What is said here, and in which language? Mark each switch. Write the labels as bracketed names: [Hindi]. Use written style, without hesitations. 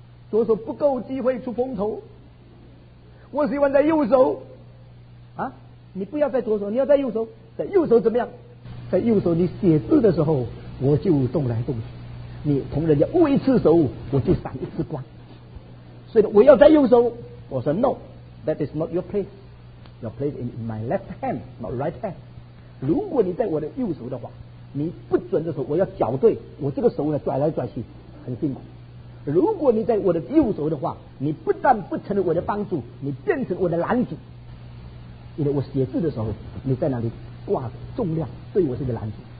[Chinese] 左手不够机会出风头，我喜欢在右手。啊，你不要在左手，你要在右手。在右手怎么样？在右手你写字的时候我就动来动去，你同人家握一次手我就闪一次光，所以我要在右手。我说 [English] No, that is not your place. Your place is in my left hand, not right hand. [Chinese] 如果你在我的右手的话，你不准的时候我要脚对，我这个手呢拽来拽去很辛苦。如果你在我的右手的话，你不但不成了我的帮助，你变成我的拦阻。因为我写字的时候你在那里挂重量，对我是个拦阻。